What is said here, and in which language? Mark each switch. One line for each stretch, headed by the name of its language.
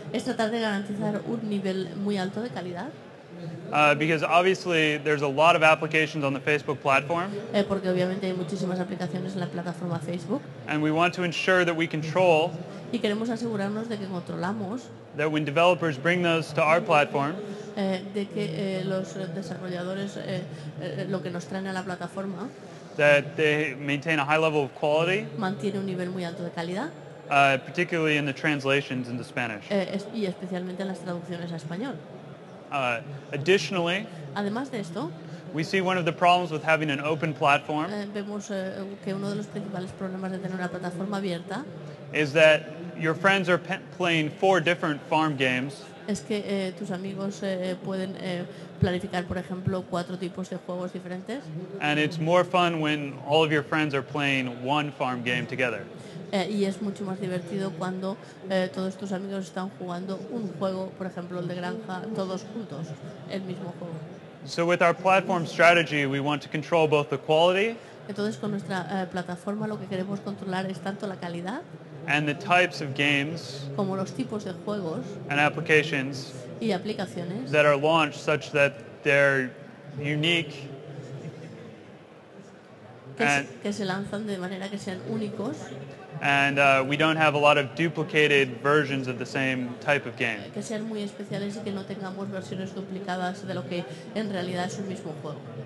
Spanish: Es tratar de garantizar un nivel muy alto de calidad.
English: Because obviously there's a lot of applications on the Facebook platform.
Spanish: Porque obviamente hay muchísimas aplicaciones en la plataforma Facebook.
English: And we want to ensure that we control.
Spanish: Y queremos asegurarnos de que controlamos.
English: That when developers bring those to our platform.
Spanish: De que los desarrolladores lo que nos traen a la plataforma.
English: That they maintain a high level of quality.
Spanish: Mantiene un nivel muy alto de calidad.
English: Particularly in the translations into Spanish.
Spanish: Y especialmente en las traducciones a español.
English: Additionally.
Spanish: Además de esto.
English: We see one of the problems with having an open platform.
Spanish: Vemos que uno de los principales problemas de tener una plataforma abierta.
English: Is that your friends are playing four different farm games.
Spanish: Es que tus amigos pueden planificar, por ejemplo, cuatro tipos de juegos diferentes.
English: And it's more fun when all of your friends are playing one farm game together.
Spanish: Y es mucho más divertido cuando todos tus amigos están jugando un juego, por ejemplo, el de granja, todos juntos, el mismo juego.
English: So with our platform strategy, we want to control both the quality.
Spanish: Entonces, con nuestra plataforma, lo que queremos controlar es tanto la calidad.
English: And the types of games,
Spanish: como los tipos de juegos,
English: and applications,
Spanish: y aplicaciones,
English: that are launched such that they're unique,
Spanish: que se lanzan de manera que sean únicos,
English: and we don't have a lot of duplicated versions of the same type of game.
Spanish: Que sean muy especiales y que no tengamos versiones duplicadas de lo que en realidad es un mismo juego.